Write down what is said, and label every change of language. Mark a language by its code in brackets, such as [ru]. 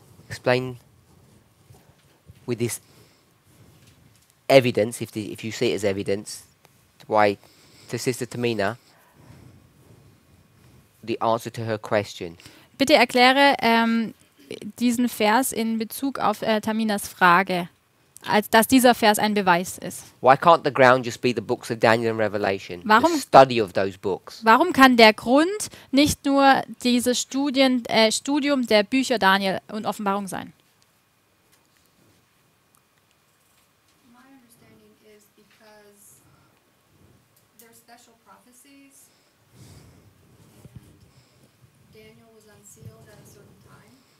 [en] Explain with this evidence, if you see it as evidence, why to Sister Tamina the answer to her question. [de] Bitte erkläre diesen Vers in Bezug auf Taminas Frage. Als dass dieser Vers ein Beweis ist. [en] Why can't the ground just be the books of Daniel and Revelation? [de] Warum, [en] the study of those books? [de] Warum kann der Grund nicht nur dieses Studium der Bücher Daniel und Offenbarung sein? [en] My understanding is because there are special prophecies and Daniel was unsealed at a certain time.